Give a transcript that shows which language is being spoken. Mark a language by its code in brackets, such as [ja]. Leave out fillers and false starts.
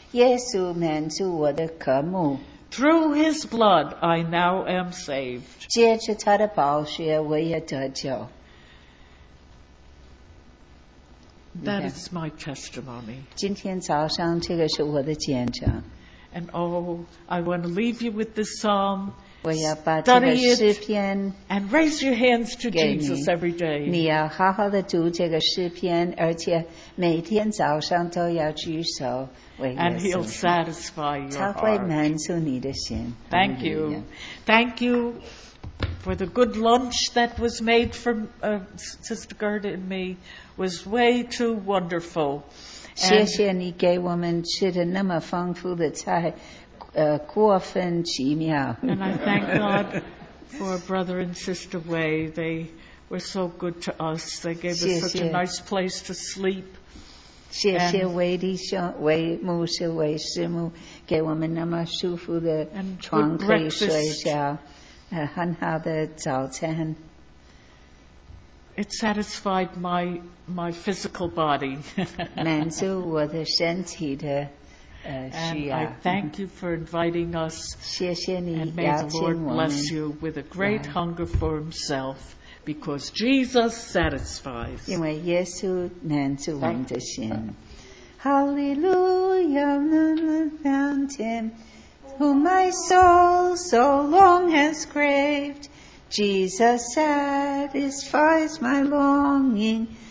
[zh] 耶稣满足我的渴慕。 [en] Through his blood, I now am saved. [zh] 借着他的宝血，我也得救。 [en] That is my testimony. [zh] 今天早上这个是我的见证。 [en] And oh, I want to leave you with this psalm. [zh] 我要把这个诗篇。 [en] And raise your hands to Jesus every day. [zh] 你要好好的读这个诗篇，而且每天早上都要举手为耶稣。 [en] And he'll satisfy your heart. [zh] 他会满足你的心。 [en] Thank you. Thank you. For the good lunch that was made for Sister Gerda and me was way too wonderful. [zh] 谢谢你给我们吃的那么丰富的菜，过分奇妙。 [en] And I thank God for Brother and Sister Wei. They were so good to us. They gave us such a nice place to sleep. [zh] 谢谢韦弟兄、韦牧师、韦师母给我们那么舒服的床可以睡觉。很好的早餐。 [en] It satisfied my physical body. [zh] 满足我的身体的需要。 [en] And I thank you for inviting us. [zh] 谢谢你邀请我们。 [en] And may the Lord bless you with a great hunger for himself, because Jesus satisfies. [zh] 因为耶稣满足我们的心。 [en] Hallelujah, the fountain. Whom my soul so long has craved, Jesus satisfies my longing.